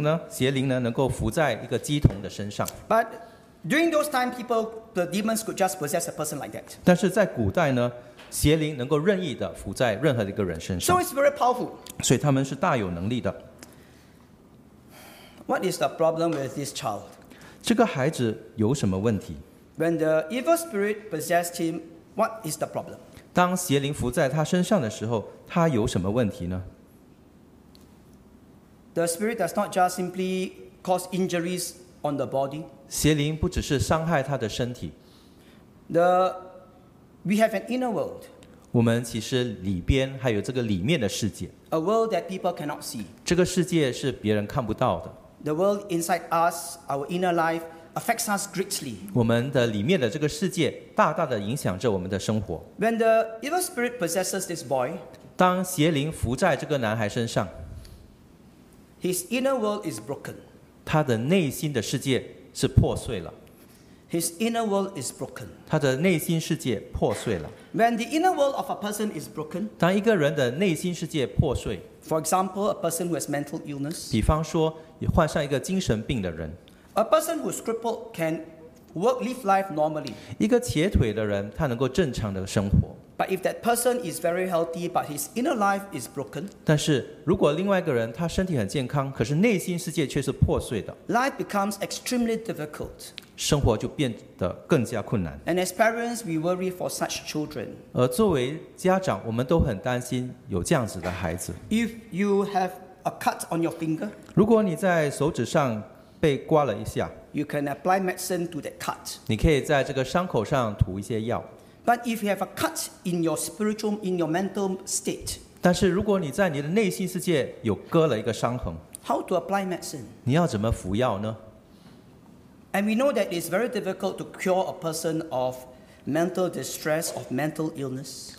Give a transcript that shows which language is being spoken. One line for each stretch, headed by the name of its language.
Chinese: 邪灵呢，能够附在一个乩童的身上。
English: But during those time, the demons could just possess a person like that.
Chinese: 但是在古代呢，邪灵能够任意的附在任何一个人身上。
English: So it's very powerful.
Chinese: 所以他们是大有能力的。
English: What is the problem with this child?
Chinese: 这个孩子有什么问题
English: ？When the evil spirit possessed him, what is the problem?
Chinese: 当邪灵附在他身上的时候，他有什么问题呢？
English: The spirit does not just simply cause injuries on the body.
Chinese: 邪灵不只是伤害他的身体。
English: We have an inner world.
Chinese: 我们其实里边还有这个里面的世界。
English: A world that people cannot see.
Chinese: 这个世界是别人看不到的。
English: The world inside us, our inner life, affects us greatly.
Chinese: 我们的里面的这个世界大大的影响着我们的生活。
English: When the evil spirit possesses this boy,
Chinese: 当邪灵附在这个男孩身上。
English: His inner world is broken.
Chinese: 他的内心的世界是破碎了。
English: His inner world is broken.
Chinese: 他的内心世界破碎了。
English: When the inner world of a person is broken,
Chinese: 当一个人的内心世界破碎。
English: For example, a person who has mental illness.
Chinese: 比方说，患上一个精神病的人。
English: A person who is crippled can work, live life normally.
Chinese: 一个瘸腿的人，他能够正常的生活。
English: But if that person is very healthy, but his inner life is broken,
Chinese: 但是如果另外一个人他身体很健康，可是内心世界却是破碎的。
English: Life becomes extremely difficult.
Chinese: 生活就变得更加困难。
English: And as parents, we worry for such children.
Chinese: 而作为家长，我们都很担心有这样子的孩子。
English: If you have a cut on your finger,
Chinese: 如果你在手指上被刮了一下，
English: you can apply medicine to that cut.
Chinese: 你可以在这个伤口上涂一些药。
English: But if you have a cut in your spiritual, in your mental state,
Chinese: 但是如果你在你的内心世界有割了一个伤痕，
English: how to apply medicine?
Chinese: 你要怎么服药呢？
English: And we know that it's very difficult to cure a person of mental distress, of mental illness.